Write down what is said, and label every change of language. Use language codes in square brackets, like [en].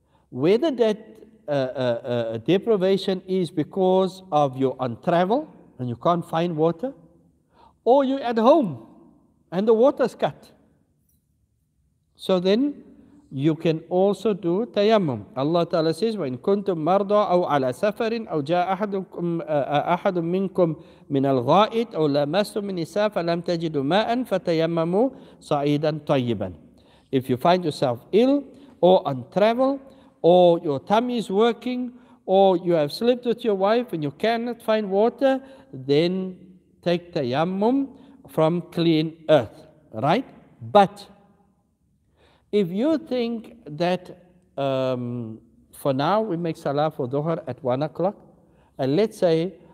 [en] Whether that deprivation is because of you're on travel and you can't find water, or you're at home and the water's cut. So then you can also do tayammum. Allah Ta'ala says, [ar] وَإِنْ كُنْتُمْ مَرْضَى أَوْ عَلَى سَفَرٍ أَوْ جَاءَ أَحَدٌ مِّنْكُمْ مِنَ الْغَائِطِ أَوْ لَمَسْتُمْ النِّسَاءَ فَلَمْ تَجِدُوا مَاءً فَتَيَمَّمُوا صَعِيدًا طَيِّبًا. [en] If you find yourself ill or on travel or your tummy is working or you have slept with your wife and you cannot find water, then take tayammum from clean earth, right? But if you think that for now we make salah for dhuhr at 1 o'clock, and let's say